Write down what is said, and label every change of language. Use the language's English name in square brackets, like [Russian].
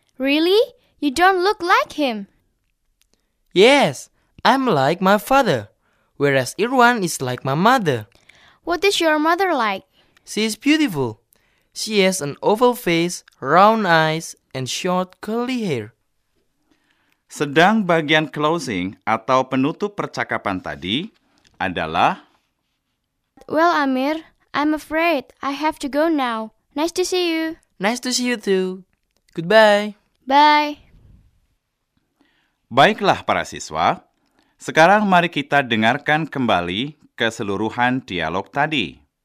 [English] Really? You don't look like him. Yes, I'm like my father, whereas Irwan is like my mother. What is your mother like? She is beautiful. She has an oval face, round eyes, and short curly hair. [Indonesian] Sedang bagian closing atau penutup percakapan tadi adalah [English] Well, Amir, I'm afraid I have to go now. Nice to see you. Nice to see you too. Goodbye. Bye. [Indonesian] Baiklah, para siswa. Sekarang mari kita dengarkan kembali keseluruhan dialog tadi.